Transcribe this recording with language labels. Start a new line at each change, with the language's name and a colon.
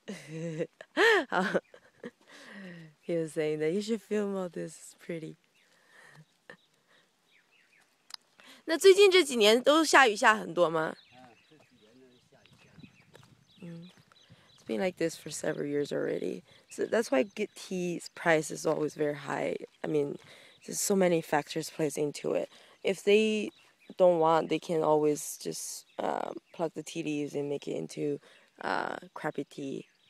English: He was saying that you should film all this. It's pretty.
Chinese: 那最近这几年都下雨下很多吗?
English: It's been like this for several years already. So that's why good tea's price is always very high. I mean, there's so many factors plays into it. If they don't want, they can always just pluck the tea leaves and make it into crappy tea.